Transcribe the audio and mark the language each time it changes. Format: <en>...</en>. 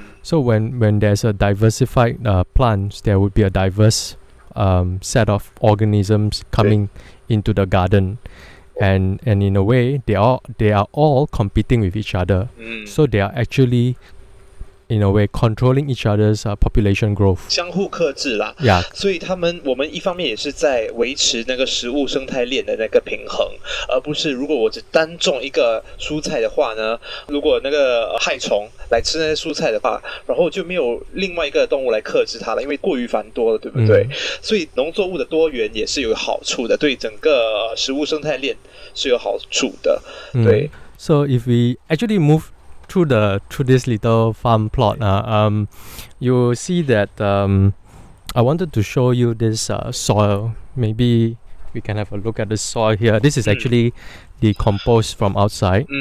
<en>So when there's a diversified plants, there would be a diverse set of organisms coming into the garden, and in a way they are all competing with each other. So they are actually in a way controlling each other's population growth.</en> <zh>相互克制啦。</zh> <en>Yeah.</en> <zh>所以他们，我们一方面也是在维持那个食物生态链的那个平衡，而不是如果我只单种一个蔬菜的话呢，如果那个害虫来吃那些蔬菜的话，然后就没有另外一个动物来克制它了，因为过于繁多了，对不对？所以农作物的多元也是有好处的，对整个食物生态链是有好处的。对。</zh> <en>So if we actually move through this little farm plot, you see that I wanted to show you this soil. Maybe we can have a look at the soil here. This is actually the compost from outside.</en>